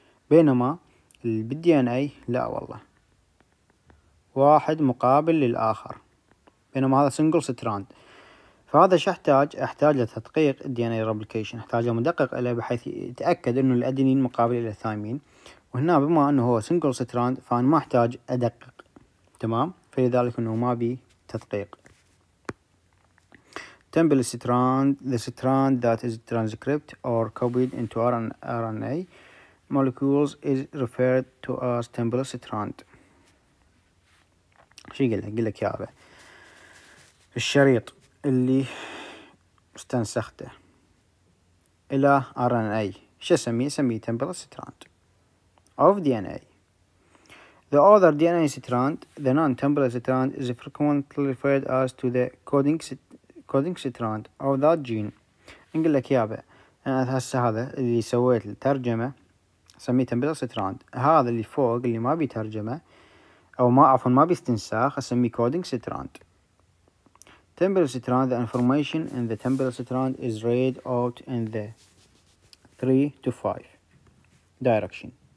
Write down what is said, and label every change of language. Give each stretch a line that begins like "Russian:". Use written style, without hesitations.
Arabic: بينما الDNA لا والله واحد مقابل للآخر بينما هذا single strand. فهذا شو احتاج لتدقيق DNA replication احتاج مدقق إليه بحيث يتأكد انه الأدينين مقابل إلى الثايمين وهنا بما انه هو single strand فأنا ما احتاج أدقق تمام فلذلك انه ما بي تدقيق.
English: Template strand, the strand that is transcript or copied into RNA molecules is referred to as template strand.
Arabic: شو يقول لك؟ يقول لك يا أبا الشريط اللي استنسخته إلى RNA شو سميه؟ سميه template strand of DNA.
English: The other DNA strand, the non-template strand, is frequently referred as to the coding strand of that gene.
Arabic: نقول لك يا أبا أنا هسه هذا اللي سويت الترجمة سميه template strand. هذا اللي فوق اللي ما بيترجمة أو ما عفوا ما بيستنساخ أسميه coding strand.
English: Template strand, the information in the template strand is read out in the 3-5 direction.